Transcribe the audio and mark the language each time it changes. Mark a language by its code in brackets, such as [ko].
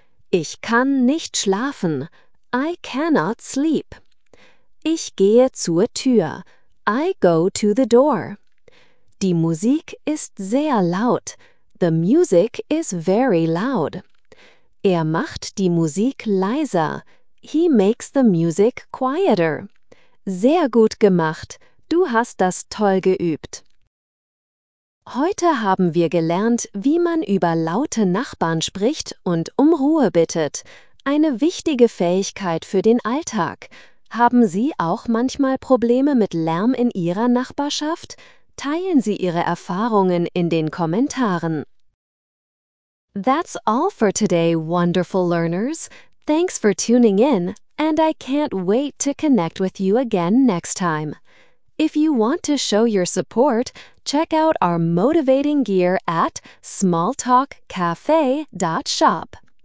[de] Ich kann nicht schlafen. [en] I cannot sleep. [de] Ich gehe zur Tür. [en] I go to the door. [de] Die Musik ist sehr laut. [en] The music is very loud. [de] Er macht die Musik leiser. [en] He makes the music quieter. [de] Sehr gut gemacht. Du hast das toll geübt. Heute haben wir gelernt, wie man über laute Nachbarn spricht und um Ruhe bittet. Eine wichtige Fähigkeit für den Alltag. Haben Sie auch manchmal Probleme mit Lärm in Ihrer Nachbarschaft? Teilen Sie Ihre Erfahrungen in den Kommentaren. [en] That's all for today, wonderful learners. Thanks for tuning in, and I can't wait to connect with you again next time. If you want to show your support, check out our motivating gear at smalltalkcafe.shop.